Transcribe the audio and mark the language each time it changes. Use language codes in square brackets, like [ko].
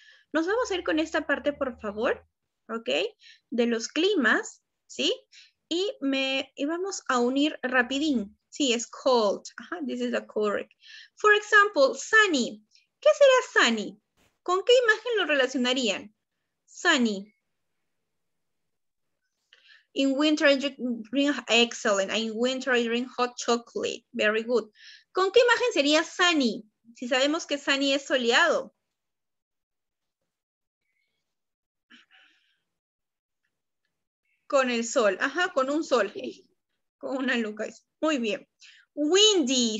[es] Nos vamos a ir con esta parte, por favor, ¿ok? De los climas, ¿sí? Y me íbamos a unir rapidín. Sí, es cold. [en] Ajá, this is a correct. For example, sunny. [es] ¿Qué será sunny? ¿Con qué imagen lo relacionarían? [en] Sunny. In winter I drink excellent. In winter I drink hot chocolate. Very good. [es] ¿Con qué imagen sería sunny? Si sabemos que sunny es soleado. Con el sol. Ajá, con un sol. Con una luca. Muy bien. Windy.